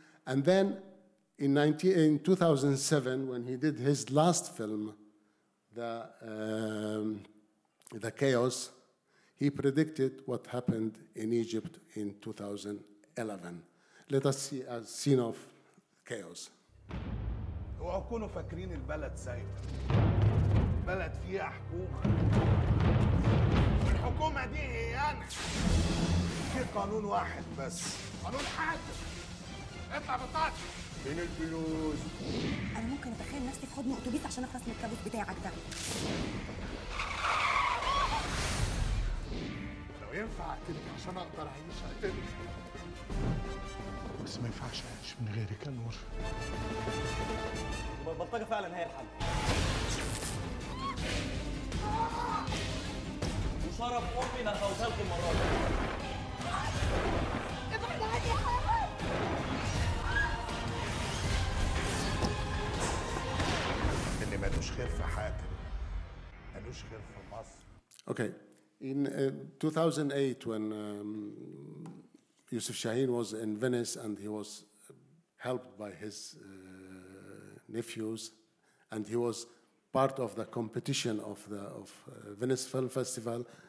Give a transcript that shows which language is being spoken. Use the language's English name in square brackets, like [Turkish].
[English] And then in 2007, when he did his last film, The Chaos, he predicted what happened in Egypt in 2011. Let us see a scene of chaos. [Arabic] وأكونوا فاكرين البلد سايبة بلد فيها حكومة الحكومة دي هي أنا في قانون واحد بس قانون حاكم اطلع بطاقة فين الفلوس أنا ممكن أتخيل نفسي في حضن أوتوبيس عشان أخلص من الكابوس بتاعك ده لو ينفع أقتلك عشان أقدر أعيش أقتلك بس ما ينفعش أعيش من غيرك نور البلطجة فعلا هي الحل وشرف أمي أنا خوتلك المرة دي ابعد عني يا حيوان اللي مالوش خير في حاتم مالوش خير في مصر [English] Okay in 2008 when Yusuf Shaheen was in Venice and he was helped by his nephews, and he was part of the competition of the Venice Film Festival.